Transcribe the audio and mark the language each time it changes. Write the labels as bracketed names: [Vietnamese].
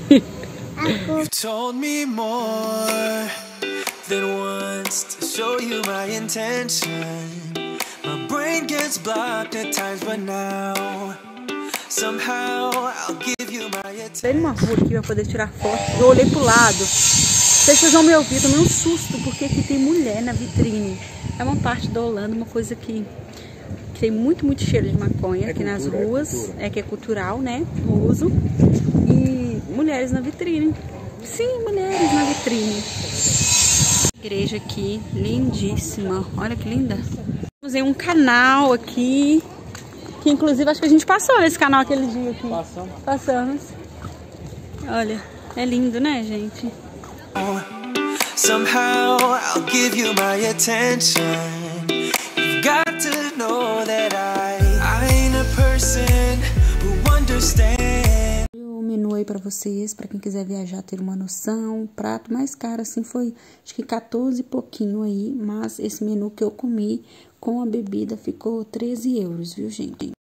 [English] You told me more than once to show you my intention. My brain gets blocked at times, but now somehow I'll give you my attention. [Portuguese] Tem uma rua aqui pra poder tirar foto. Eu olhei pro lado. Vocês vão me ouvir, tomei um susto, porque aqui tem mulher na vitrine. É uma parte da Holanda, uma coisa que tem muito, muito cheiro de maconha aqui nas ruas. É que é cultural, né? O uso. E mulheres na vitrine. Sim, mulheres na vitrine. Igreja aqui, lindíssima. Olha que linda. Temos um canal aqui, que inclusive acho que a gente passou nesse canal aquele dia aqui. Passamos. Passamos. Olha, é lindo, né, gente? [English] Somehow I'll give you my attention. You've got to know that I ain't a person who understands. [Portuguese] O menu aí pra vocês, pra quem quiser viajar, ter uma noção. O prato mais caro, assim, foi, acho que 14 e pouquinho aí, mas esse menu que eu comi com a bebida ficou 13 euros, viu, gente?